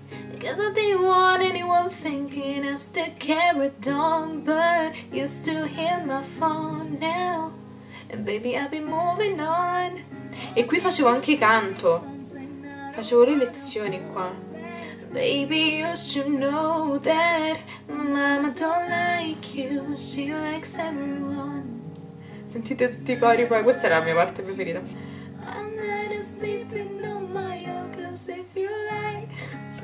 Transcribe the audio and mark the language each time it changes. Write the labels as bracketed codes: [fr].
[en] Because I didn't want anyone thinking I still carried on, but you still hear my phone now. And baby, I've been moving on. [it] E qui facevo anche canto. Facevo le lezioni qua. [en] Baby, you should know that my mama don't like you, she likes everyone. [it] Sentite tutti i cori poi, questa era la mia parte preferita. [en] I'm not sleeping on my own, cause if you like.